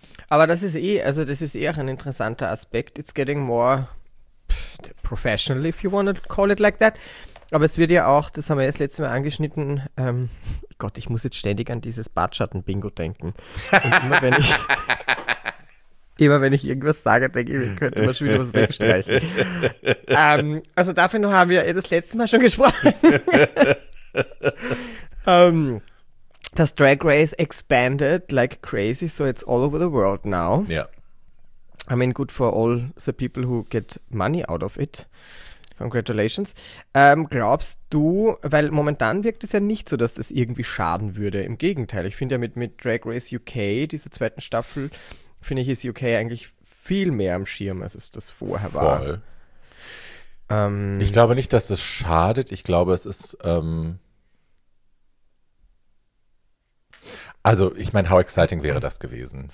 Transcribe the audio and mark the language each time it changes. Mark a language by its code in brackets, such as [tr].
[de] Aber das ist auch ein interessanter Aspekt. [en] It's getting more professional, if you want to call it like that. [de] Aber es wird ja auch, das haben wir jetzt letztes Mal angeschnitten, Gott, ich muss jetzt ständig an dieses Bartschatten-Bingo denken. Und immer wenn ich irgendwas sage, denke ich, wir könnten mal schon wieder was wegstreichen. Also dafür haben wir das letzte Mal schon gesprochen. [en] Das Drag Race expanded like crazy, so it's all over the world now. [de] Ja. [en] I mean, good for all the people who get money out of it. Congratulations. [de] Glaubst du, weil momentan wirkt es ja nicht so, dass das irgendwie schaden würde. Im Gegenteil, ich finde ja mit Drag Race UK, dieser zweiten Staffel, finde ich, ist UK eigentlich viel mehr am Schirm, als es das vorher war. Voll. Ich glaube nicht, dass das schadet. Ich glaube, es ist also, ich meine, [en] how exciting [de] wäre das gewesen?